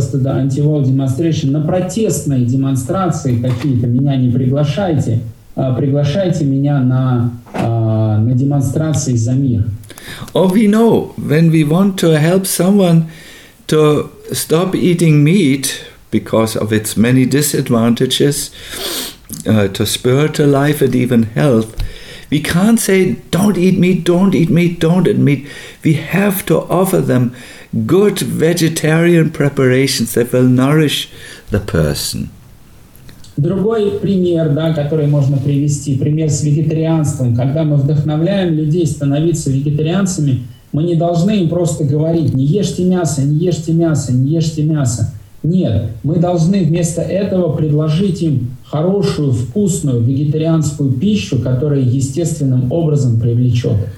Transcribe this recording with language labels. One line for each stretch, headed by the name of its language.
Russian: антивау демонстрации. На протестной демонстрации какие-то меня не приглашайте. Приглашайте меня на демонстрации за мир.
English: Or we know, when we want to help someone to stop eating meat because of its many disadvantages to spiritual life and even health, we can't say, don't eat meat, don't eat meat, don't eat meat. We have to offer them good vegetarian preparations that will nourish the person.
Russian: Другой пример, да, который можно привести, пример с вегетарианством. Когда мы вдохновляем людей становиться вегетарианцами, мы не должны им просто говорить: не ешьте мясо, не ешьте мясо, не ешьте мясо. Нет, мы должны вместо этого предложить им хорошую, вкусную вегетарианскую пищу, которая естественным образом привлечет.